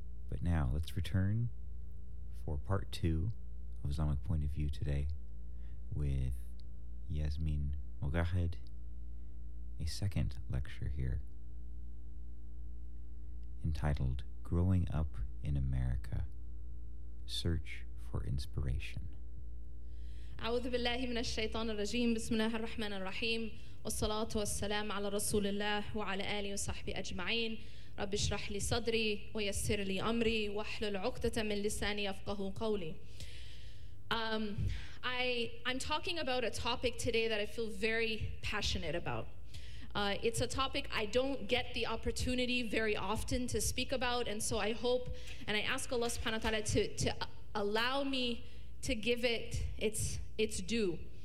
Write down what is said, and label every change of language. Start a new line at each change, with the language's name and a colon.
English: But now let's return for part two of Islamic Point of View today with Yasmin Mogahed. A second lecture here. entitled Growing Up in America, Search for Inspiration.
Arabic: أعوذ بالله من الشيطان الرجيم بسم الله الرحمن الرحيم والصلاة والسلام على رسول الله وعلى آله وصحبه أجمعين رب اشرح لي صدري ويسر لي أمري واحلل عقدة من لساني يفقه قولي.
English: I'm talking about a topic today that I feel very passionate about. It's a topic I don't get the opportunity very often to speak about, and so I hope and I ask Allah subhanahu wa ta'ala to allow me to give it its due.